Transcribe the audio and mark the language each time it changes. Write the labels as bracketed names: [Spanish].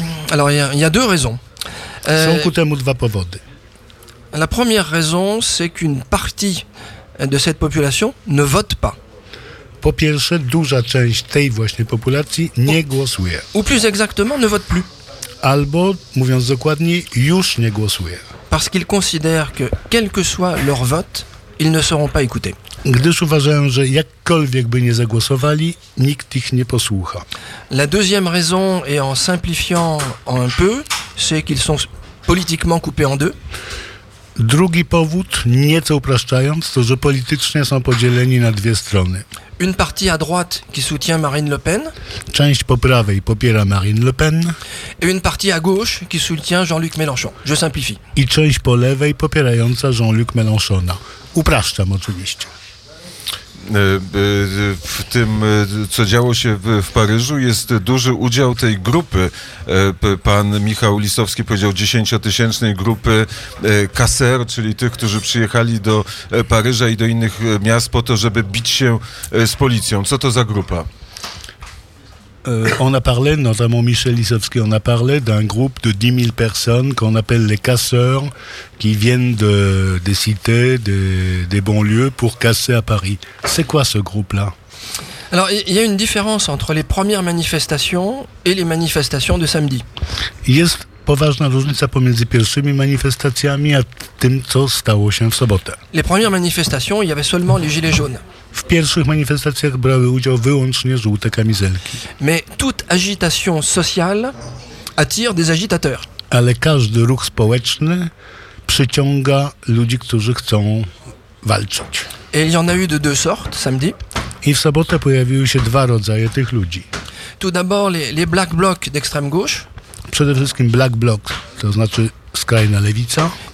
[French] Alors, il y a deux raisons. [Polish] Są ku temu dwa powody. [French] La première raison, c'est qu'une partie de cette population ne vote pas. [Polish] Po pierwsze, duża część tej właśnie populacji nie głosuje. [French] Ou plus exactement, ne vote plus. [Polish] Albo, mówiąc dokładniej, już nie głosuje. [French] Parce qu'ils considèrent que, quel que soit leur vote, ils ne seront pas écoutés. [Polish] Gdyż uważają, że jakkolwiek by nie zagłosowali, nikt ich nie posłucha. [French] La deuxième raison, et en simplifiant un peu, c'est qu'ils sont politiquement coupés en deux. [Polish] Drugi powód, nieco upraszczając, to że politycznie są podzieleni na dwie strony. [French] Une partie à droite qui soutient Marine Le Pen. [Polish] Część po prawej popiera Marine Le Pen. [French] Et une partie à gauche qui soutient Jean-Luc Mélenchon. Je simplifie. [Polish] I część po lewej popierająca Jean-Luc Mélenchona. Upraszczam oczywiście. W tym, co działo się w Paryżu, jest duży udział tej grupy. Pan Michał Lisowski powiedział 10-tysięcznej grupy kaser, czyli tych, którzy przyjechali do Paryża i do innych miast po to, żeby bić się z policją. Co to za grupa? [French] On a parlé, notamment Michel Lisowski, on a parlé d'un groupe de 10 000 personnes qu'on appelle les casseurs, qui viennent des cités, des banlieues pour casser à Paris. C'est quoi ce groupe-là? Alors, il y a une différence entre les premières manifestations et les manifestations de samedi. [Polish] Jest poważna różnica pomiędzy pierwszymi manifestacjami a tym, co stało się w sobotę. [French] Les premières manifestations, il y avait seulement les gilets jaunes. [Polish] W pierwszych manifestacjach brały udział wyłącznie żółte kamizelki. [French] Mais toute agitation sociale attire des agitateurs. [Polish] Ale każdy ruch społeczny przyciąga ludzi, którzy chcą walczyć. [French] Et il y en a eu de deux sortes samedi. [Polish] I w sobotę pojawiły się dwa rodzaje tych ludzi. [French] Tout d'abord les black blocs d'extrême gauche. [Polish] Przede wszystkim black bloc, to znaczy skrajna lewica.